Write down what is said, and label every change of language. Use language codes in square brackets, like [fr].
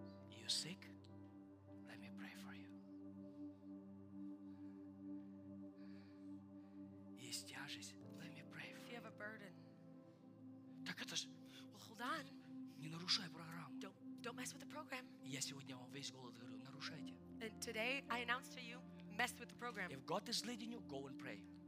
[en] You sick? Let me pray for you. [ru] Есть тяжесть? [en] Let me pray for you. If you have a burden. [ru] Так это ж. [en] Well, hold on. [ru] Не нарушай программу. [en] Don't mess with the program. [ru] Я сегодня вам весь голос говорю, нарушайте. [en] And today I announce to you. Mess with the program. If God is leading you, go and pray.